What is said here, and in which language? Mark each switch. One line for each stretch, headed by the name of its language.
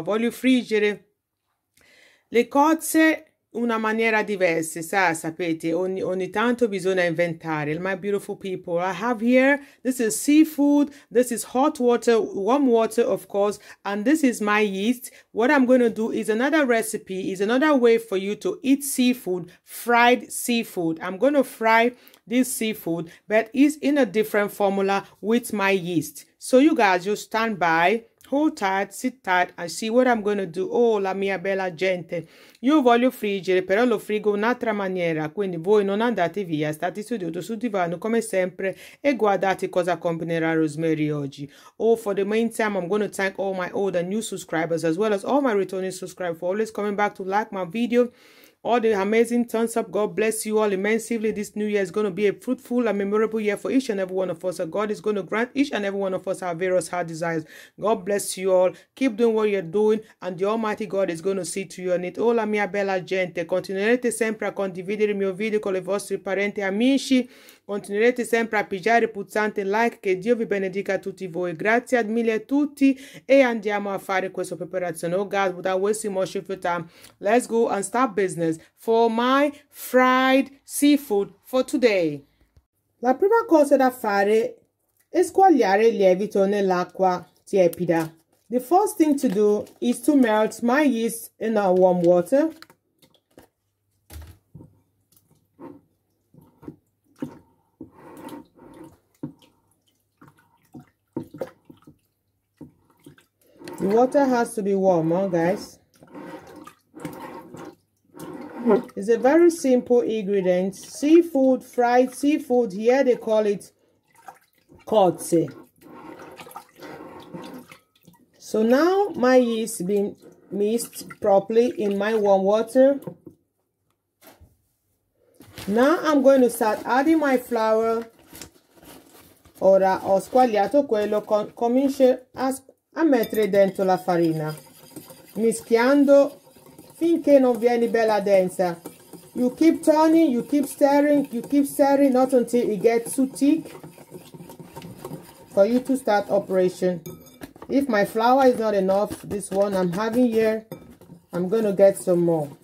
Italian: Voglio friggere le cozze una maniera diversa, sapete, ogni tanto bisogna inventare.
English: My beautiful people, I have here, this is seafood, this is hot water, warm water, of course, and this is my yeast. What I'm going to do is another recipe, is another way for you to eat seafood, fried seafood. I'm going to fry this seafood, but it's in a different formula with my yeast. So you guys, just stand by. Hold tight, sit tight, and see what I'm going to do.
Italian: Oh, la mia bella gente. Io voglio friggere, però lo frigo un'altra maniera. Quindi voi non andate via, state seduti sul divano come sempre e guardate cosa combinerà Rosemary oggi.
English: Oh, for the meantime, I'm going to thank all my old and new subscribers as well as all my returning subscribers for always coming back to like my video. All the amazing thumbs up. God bless you all immensely. This new year is going to be a fruitful and memorable year for each and every one of us. God is going to grant each and every one of us our various heart desires. God bless you all. Keep doing what you're doing, and the Almighty God is going to see to your need.
Italian: Oh, la mia bella gente. Continuerete sempre a condividere il mio video con le vostre parenti e amici. Continuerete sempre a pigiare puzzante like. Che Dio vi benedica a tutti voi. Grazie mille a tutti. E andiamo a fare questa preparazione.
English: Oh, God, without wasting much of your time, let's go and start business. For my fried seafood for today.
Italian: La prima cosa da fare è squagliare il lievito nell'acqua tiepida.
English: The first thing to do is to melt my yeast in our warm water. The water has to be warm, guys. It's a very simple ingredient. Seafood, fried seafood. Here they call it cozze. So now my yeast been mixed properly in my warm water. Now I'm going to start adding my flour.
Italian: Ora ho squagliato quello, comincio a mettere dentro la farina, mischiando finché non viene bella densa.
English: You keep turning, you keep stirring, not until it gets too thick for you to start operation. If my flour is not enough, this one I'm having here, I'm going to get some more.